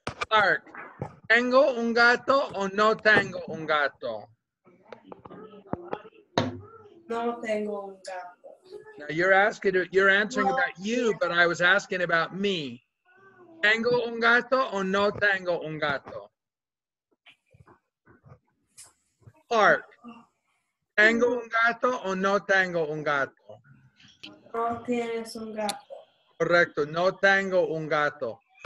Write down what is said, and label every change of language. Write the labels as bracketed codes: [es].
[es] Bart, ¿tengo un gato o no tengo un gato? No tengo un gato. [en] Now you're answering about you, but I was asking about me. [es] ¿Tengo un gato o no tengo un gato? Clark, ¿tengo un gato o no tengo un gato? No tienes un gato. Correcto, no tengo un gato.